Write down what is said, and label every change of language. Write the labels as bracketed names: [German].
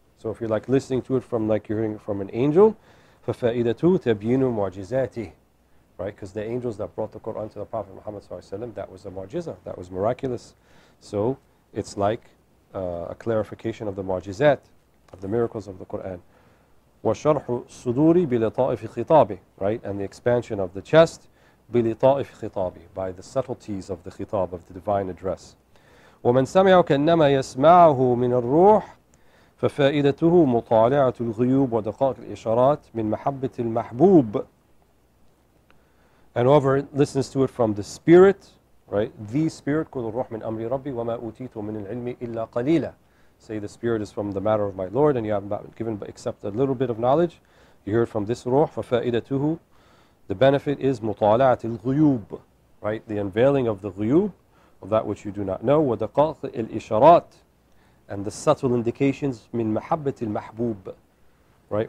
[English] So if you're like listening to it from like you're hearing it from an angel, [Arabic] فَفَائِدَتُهُ تَبْيِينُ مُعْجِزَاتِهِ. [English] right? Because the angels that brought the Quran to the Prophet Muhammad ﷺ, that was a mu'jiza, that was miraculous. So it's like a clarification of the mu'jizat, of the miracles of the Quran. [Arabic] وَشَرْحُ صُدُورِ بِلِطَائِفِ خِطَابِ, [English] right? And the expansion of the chest, [Arabic] بِلِطَائِفِ خِطَابِ, [English] by the subtleties of the khitab, of the divine address. [Arabic] وَمَنْ سَمِعُ كَنَّمَا يَسْمَعُهُ مِنَ الرُّوحِ فَفَائِدَتُهُ مُطَالِعَةُ الْغِيُوبِ وَدَقَائِقِ الْإِشَارَاتِ مِنْ مَحَبَّةِ الْمَحْبُوبِ. [English] And whoever listens to it from the spirit, right? The spirit, [Arabic] كُلُ الرُّوحِ مِنْ أَمْرِ رَبِّي وَمَا أُوتِيتُ مِنَ الْعِلْمِ إِلَّا قَلِيلًا. [English] Say the spirit is from the matter of my Lord, and you haven't been given but except a little bit of knowledge. You heard from this ruh, فَفَائِدَتُهُ, the benefit is [Arabic] مُطَالَعَةِ الْغُيُوبِ, [English] right? The unveiling of the غُيُوبِ, of that which you do not know, [Arabic] وَدَقَائِقِ الْإِشَارَاتِ, [English] and the subtle indications, [Arabic] مِنْ مَحَبَّةِ الْمَحْبُوبِ, [English] right?